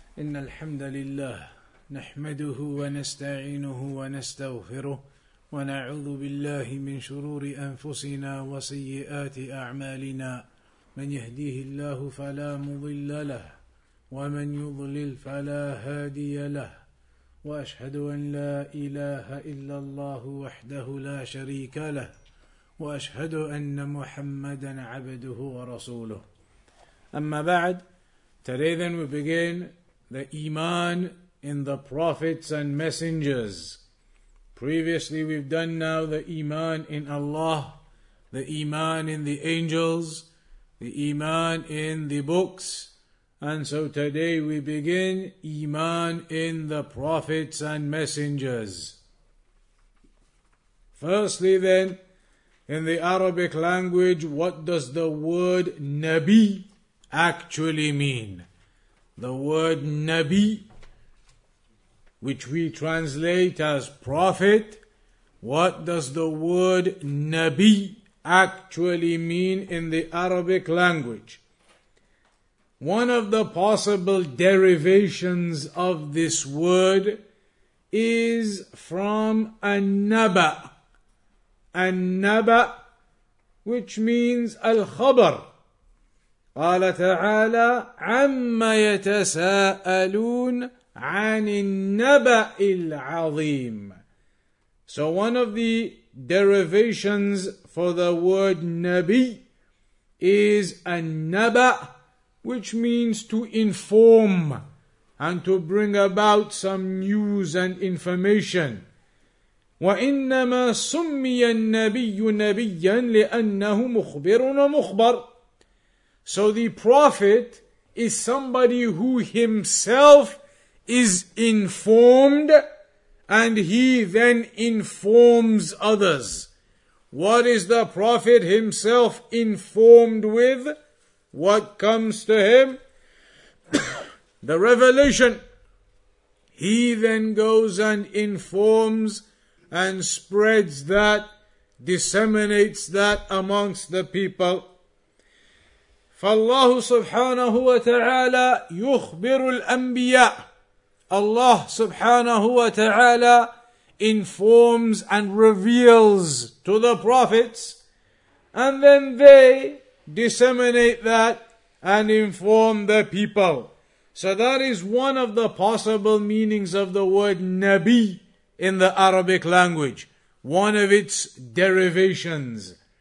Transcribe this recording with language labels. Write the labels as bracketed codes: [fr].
[ar] إن الحمد لله نحمده ونستعينه ونستغفره ونعوذ بالله من شرور أنفسنا وسيئات أعمالنا من يهديه الله فلا مضل له ومن يضلل فلا هادي له وأشهد أن لا إله إلا الله وحده لا شريك له وأشهد أن محمدا عبده ورسوله أما بعد. [en] Today then we begin the Iman in the Prophets and Messengers. Previously we've done now the Iman in Allah, the Iman in the Angels, the Iman in the Books, and so today we begin Iman in the Prophets and Messengers. Firstly then, in the Arabic language, what does the word Nabi actually mean? The word Nabi, which we translate as prophet, what does the word Nabi actually mean in the Arabic language? One of the possible derivations of this word is from An-Naba, An-Naba, which means Al-Khabar. [ar] قال تعالى عما يتساءلون عن النبأ العظيم. [en] So one of the derivations for the word Nabi is النبأ, which means to inform and to bring about some news and information. [ar] وإنما سمي النبي نبيا لأنه مخبر ومخبر. [en] So the prophet is somebody who himself is informed and he then informs others. What is the prophet himself informed with? What comes to him? The revelation. He then goes and informs and spreads that, disseminates that amongst the people. [ar] فالله سبحانه وتعالى يخبر الأنبياء. [en] Allah سبحانه وتعالى informs and reveals to the prophets, and then they disseminate that and inform the people. So that is one of the possible meanings of the word Nabi in the Arabic language, one of its derivations.